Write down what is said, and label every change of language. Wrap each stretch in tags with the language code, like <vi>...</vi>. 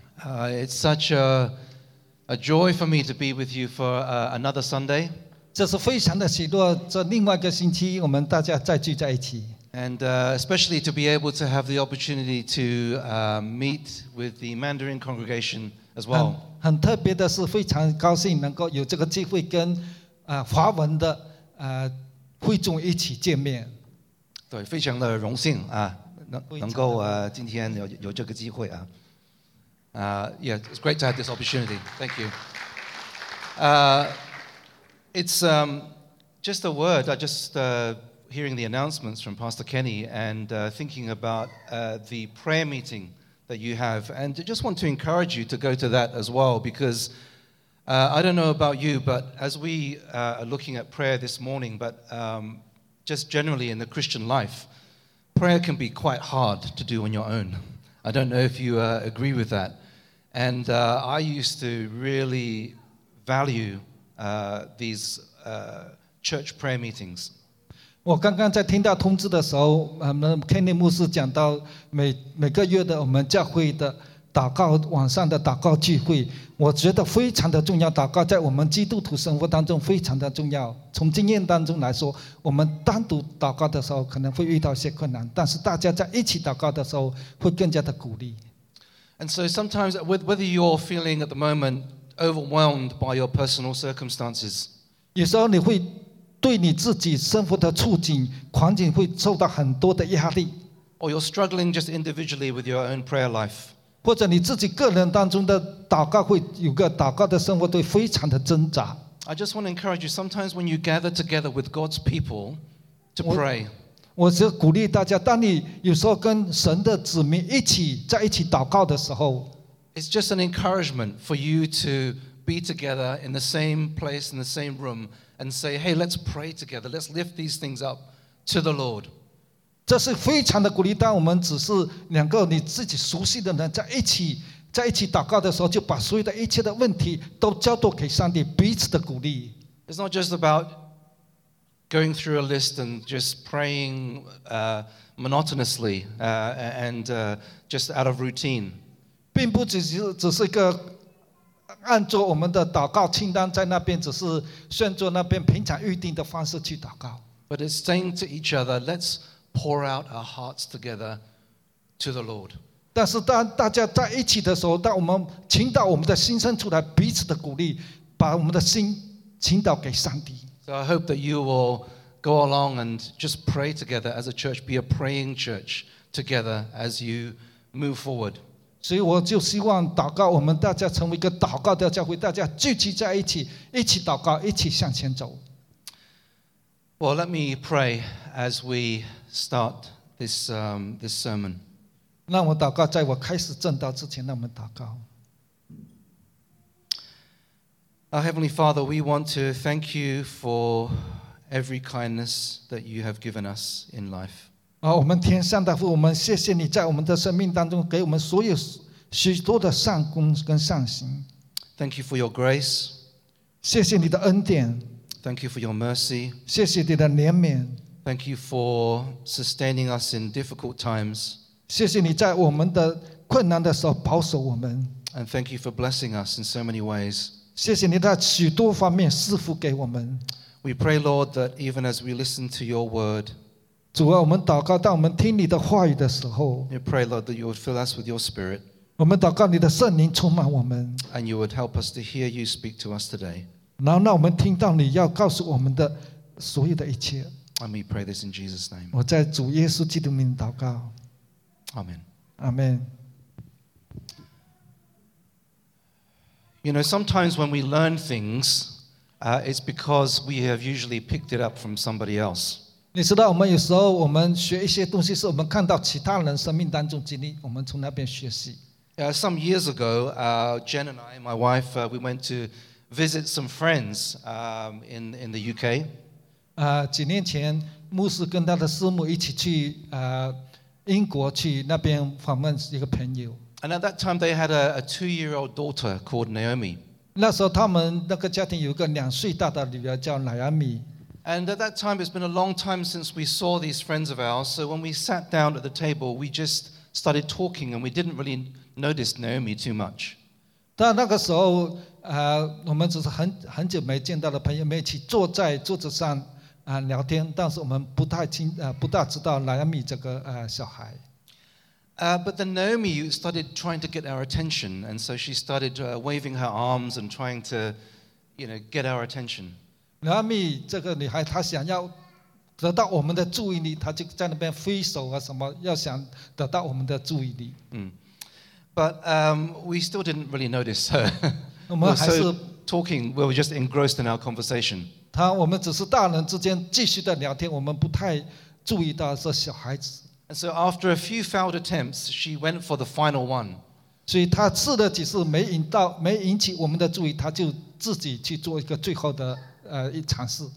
<en>It's such a joy for me to be with you for another Sunday.</en> <zh>这是非常的喜乐，这另外一个星期我们大家再聚在一起。</zh> <en>And especially to be able to have the opportunity to meet with the Mandarin congregation as well.</en> <zh>很特别的是，非常高兴能够有这个机会跟华文的会众一起见面。对，非常的荣幸啊。能够今天有这个机会啊，</zh> <en>yeah, it's great to have this opportunity. Thank you. It's just a word. I just hearing the announcements from Pastor Kenny and thinking about the prayer meeting that you have, and I just want to encourage you to go to that as well, because I don't know about you, but as we are looking at prayer this morning, but just generally in the Christian life. Prayer can be quite hard to do on your own. I don't know if you agree with that. And I used to really value these church prayer meetings.</en> <zh>我刚刚在听到通知的时候，Kenny 牧师讲到每个月的我们教会的祷告，晚上的祷告聚会，我觉得非常的重要。祷告在我们基督徒生活当中非常的重要。从经验当中来说，我们单独祷告的时候可能会遇到一些困难，但是大家在一起祷告的时候会更加的鼓励。</zh> <en>And so sometimes, whether you're feeling at the moment overwhelmed by your personal circumstances,</en> <zh>有时候你会对你自己生活的处境、环境会受到很多的压力。</zh> <en>Or you're struggling just individually with your own prayer life.</en> <zh>或者你自己个人当中的祷告会有个祷告的生活会非常的挣扎。</zh> <en>I just want to encourage you. Sometimes when you gather together with God's people to pray,</en> <zh>我是鼓励大家，当你有时候跟神的子民一起在一起祷告的时候</zh> <en>，It's just an encouragement for you to be together in the same place in the same room and say, "Hey, let's pray together. Let's lift these things up to the Lord."</en> <zh>这是非常的鼓励。当我们只是两个你自己熟悉的人在一起祷告的时候，就把所有的一切的问题都交托给上帝，彼此的鼓励。</zh> <en>It's not just about going through a list and just praying monotonously and just out of routine.</en> <zh>并不只是一个按照我们的祷告清单在那边，只是顺着那边平常预定的方式去祷告。</zh> <en>But it's saying to each other, let's. Pour out our hearts together to the Lord.</en> <zh>但是当大家在一起的时候，当我们倾倒我们的心声出来，彼此的鼓励，把我们的心倾倒给上帝。</zh> <en>So I hope that you will go along and just pray together as a church. Be a praying church together as you move forward.</en> <zh>所以我就希望祷告，我们大家成为一个祷告的教会，大家聚集在一起，一起祷告，一起向前走。</zh> <en>Well, let me pray as we. Start this sermon.</en> <zh>让我祷告，在我开始正道之前，让我们祷告。</zh> <en>Our Heavenly Father, we want to thank you for every kindness that you have given us in life.</en> <zh>我们天上的父，我们谢谢你在我们的生命当中给我们所有许多的善功跟善行。</zh> <en>Thank you for your grace.</en> <zh>谢谢你的恩典。</zh> <en>Thank you for your mercy.</en> <zh>谢谢你的怜悯。</zh> <en>Thank you for sustaining us in difficult times.</en> <zh>谢谢你在我们的困难的时候保守我们。</zh> <en>And thank you for blessing us in so many ways.</en> <zh>谢谢你在许多方面赐福给我们。</zh> <en>We pray, Lord, that even as we listen to your word,</en> <zh>主啊，我们祷告，当我们听你的话语的时候，</zh> <en>We pray, Lord, that you would fill us with your spirit.</en> <zh>我们祷告你的圣灵充满我们。</zh> <en>And you would help us to hear you speak to us today.</en> <zh>然后让我们听到你要告诉我们的所有的一切。</zh> <en>And we pray this in Jesus' name.</en> <zh>我在主耶稣基督名祷告。</zh> <en>Amen. Amen. You know, sometimes when we learn things, it's because we have usually picked it up from somebody else.</en> <zh>你知道，我们有时候我们学一些东西，是我们看到其他人生命当中经历，我们从那边学习。</zh> <en>Some years ago, Jen and I, my wife, we went to visit some friends in the UK.</en> <zh>几年前，牧师跟他的师母一起去英国去那边访问一个朋友。</zh> <en>And at that time, they had a two-year-old daughter called Naomi.</en> <zh>那时候他们那个家庭有个两岁大的女儿叫 Naomi.</zh> <en>And at that time, it's been a long time since we saw these friends of ours. So when we sat down at the table, we just started talking, and we didn't really notice Naomi too much.</en> <zh>但那个时候，我们只是很久没见到的朋友，没一起坐在桌子上聊天，但是我们不太清不大知道 Naomi 这个小孩。</zh> <en>But then Naomi started trying to get our attention, and so she started waving her arms and trying to, you know, get our attention.</en> <zh>Naomi 这个女孩，她想要得到我们的注意力，她就在那边挥手啊什么，要想得到我们的注意力。嗯。</zh> <en>But we still didn't really notice her.</en> <zh>我们还是</zh> <en>we're so talking. We were just engrossed in our conversation.</en> <zh>她我们只是大人之间继续的聊天，我们不太注意到是小孩子。</zh> <en>And so after a few failed attempts, she went for the final one.</en> <zh>所以她试了几次没引到，没引起我们的注意，她就自己去做一个最后的一尝试。</zh>